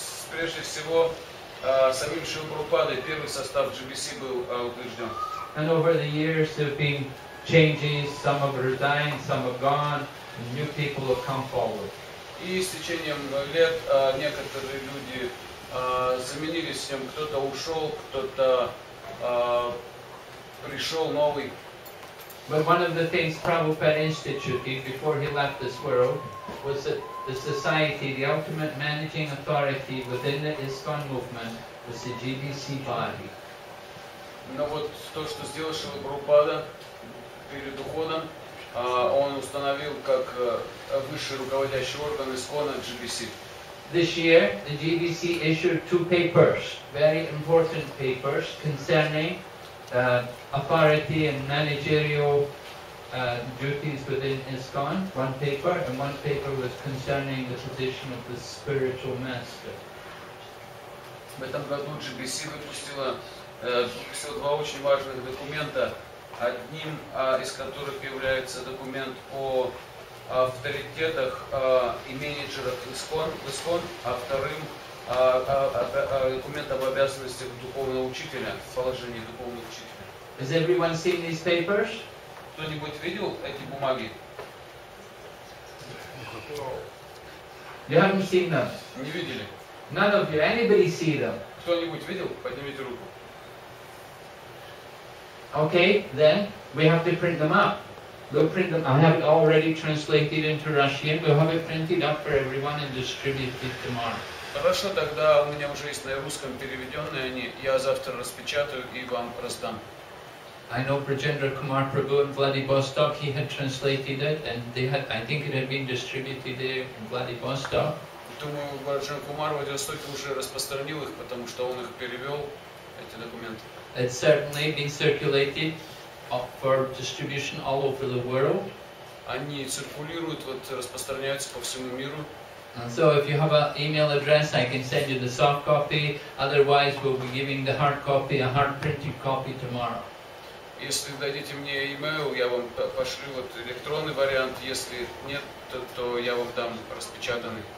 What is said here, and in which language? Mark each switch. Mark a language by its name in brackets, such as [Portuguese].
[Russian] Прежде всего, самим Шрилой Прабхупадой первый состав GBC был утвержден. [English] And over the years there have been changes, some have resigned, some have gone, and new people have come forward. [Russian] И с течением лет некоторые люди заменились тем, кто-то ушел, кто-то пришел новый. [English] But one of the things Prabhupada instituted before he left this world was that the society, the ultimate managing authority within the ISKCON movement was the GBC body. [Russian] Но вот то, что сделал Шрила Прабхупада перед уходом, он установил как высший руководящий орган ИСККОНа GBC. [English] This year, the GBC issued two papers, very important papers, concerning authority and managerial duties within ISKCON, one paper, and one paper was concerning the position of the spiritual master. [Russian] В этом году GBC выпустила два очень важных документа, одним из которых является документ о авторитетах и менеджерах ISKCON, а вторым документ об обязанностях духовного учителя, положении духовного учителя. [English] Has everyone seen these papers? [Russian] Кто-нибудь видел эти бумаги? [English] You haven't seen them. [Russian] Не видели. [English] None of you. Anybody see them? [Russian] Кто-нибудь видел? Поднимите руку. [English] Okay, then we have to print them up. We'll print them. I have it already translated into Russian. We'll have it printed up for everyone and distribute it tomorrow. [Russian] Хорошо, тогда у меня уже есть на русском переведенные они. Я завтра распечатаю и вам раздам. [English] I know Brajendra Kumar Prabhu in Vladivostok, he had translated it, and they had, I think it had been distributed there in Vladivostok. [Russian] Думаю, Брajendra Kumar в Владивостоке уже распространил их, потому что он их перевел, эти документы. [English] It's certainly been circulated for distribution all over the world. [Russian] Они циркулируют, вот распространяются по всему миру. [English] And so if you have an email address, I can send you the soft copy, otherwise we'll be giving the hard copy, a hard printed copy tomorrow. [Russian] Если дадите мне e-mail, я вам пошлю вот электронный вариант. Если нет, то я вам дам распечатанный.